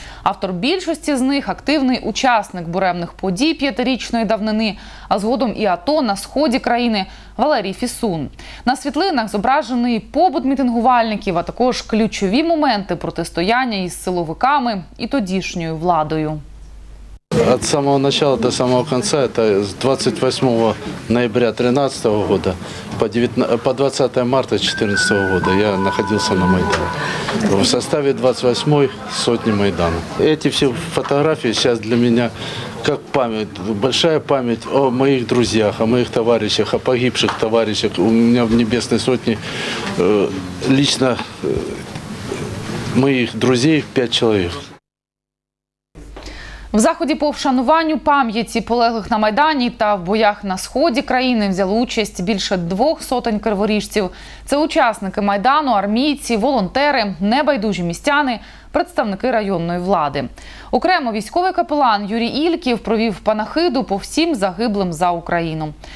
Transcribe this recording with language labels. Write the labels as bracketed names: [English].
[Ukrainian] Автор більшості з них – активний учасник буремних подій 5-річної давнини, а згодом і АТО на сході країни Валерій Фісун. На світлинах зображений побут мітингувальників, а також ключові моменти протистояння із силовиками і тодішньою владою. [Russian] От самого начала до самого конца, это с 28 ноября 2013 года по 20 марта 2014 года я находился на Майдане. В составе 28-й сотни Майдана. Эти все фотографии сейчас для меня как память, большая память о моих друзьях, о моих товарищах, о погибших товарищах. У меня в Небесной сотне лично моих друзей 5 человек. [Ukrainian] В заході по вшануванню пам'яті полеглих на Майдані та в боях на сході країни взяли участь більше 200 криворіжців. Це учасники Майдану, армійці, волонтери, небайдужі містяни, представники районної влади. Окремо військовий капелан Юрій Ільків провів панахиду по всім загиблим за Україну.